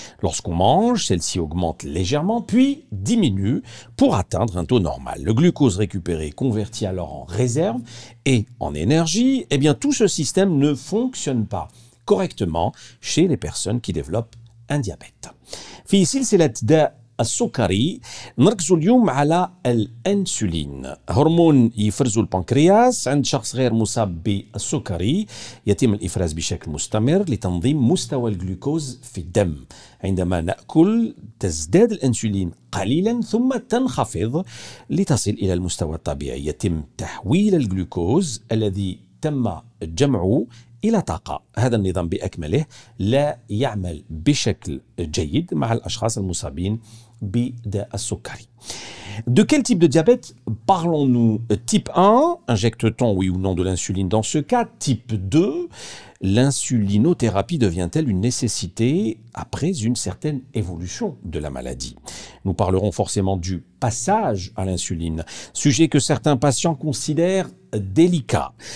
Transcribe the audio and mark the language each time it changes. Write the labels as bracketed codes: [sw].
[fr] Lorsqu'on mange, celle-ci augmente légèrement, puis diminue pour atteindre un taux normal. Le glucose récupéré est converti alors en réserve et en énergie. Eh bien, tout ce système ne fonctionne pas correctement chez les personnes qui développent un diabète. [ar] Fiisil silat da السكري نركز اليوم على الأنسولين هرمون يفرزه البنكرياس عند شخص غير مصاب بالسكري يتم الإفراز بشكل مستمر لتنظيم مستوى الجلوكوز في الدم عندما نأكل تزداد الأنسولين قليلا ثم تنخفض لتصل إلى المستوى الطبيعي يتم تحويل الجلوكوز الذي تم جمعه إلى طاقة هذا النظام بأكمله لا يعمل بشكل جيد مع الأشخاص المصابين بداء السكري. [fr] De quel type de diabète parlons-nous? Type 1, injecte-t-on oui ou non de l'insuline dans ce cas? Type 2, l'insulinothérapie devient-elle une nécessité après une certaine évolution de la maladie? Nous parlerons forcément du passage à l'insuline, sujet que certains patients considèrent délicat.